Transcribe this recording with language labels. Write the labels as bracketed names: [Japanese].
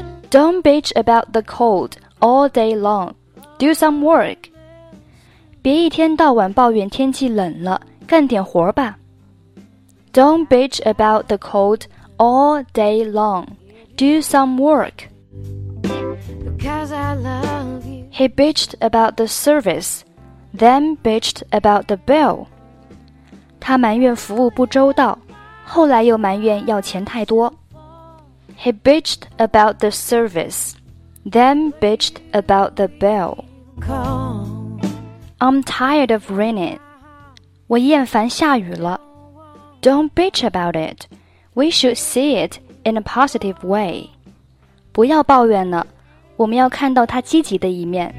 [English] Don't bitch about the cold all day long. Do some work. [Chinese] 别一天到晚抱怨天气冷了，干点活吧。 [English] Don't bitch about the cold all day long. Do some work. He bitched about the serviceThen bitched about the bill. [Chinese] 他埋怨服务不周到，后来又埋怨要钱太多。 [English] He bitched about the service. Then bitched about the bill. I'm tired of raining. [Chinese] 我厌烦下雨了。 [English] Don't bitch about it. We should see it in a positive way. [Chinese] 不要抱怨了，我们要看到它积极的一面。